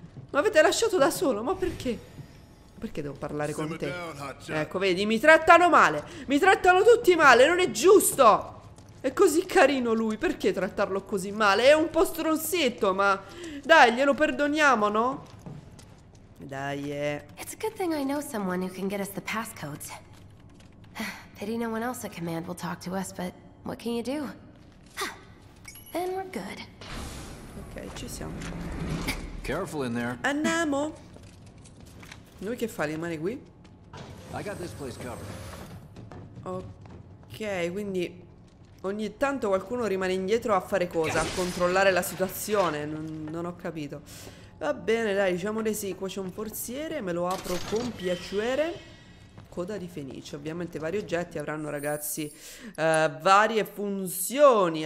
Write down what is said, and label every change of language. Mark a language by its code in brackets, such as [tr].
[it] Mi avete lasciato da solo, ma perché? Perché devo parlare con te? Ecco, vedi, mi trattano male. Mi trattano tutti male, non è giusto. È così carino lui, perché trattarlo così male? È un po' stronzetto, ma... dai, glielo perdoniamo, no? Dai, [en] It's a good thing I know someone who can get us the passcodes. Pity no one else at command will talk to us, but what can you do? Then we're good. [it] Ok, ci siamo. [en] Careful in there. [it] Andiamo. Noi che fa, rimane qui? [en] I got this place covered. [it] Ok, quindi ogni tanto qualcuno rimane indietro a fare cosa? A controllare la situazione. Non ho capito. Va bene, dai, diciamo di sì. Qua c'è un forziere, me lo apro con piacere. Coda di fenice, ovviamente vari oggetti avranno, ragazzi, varie funzioni.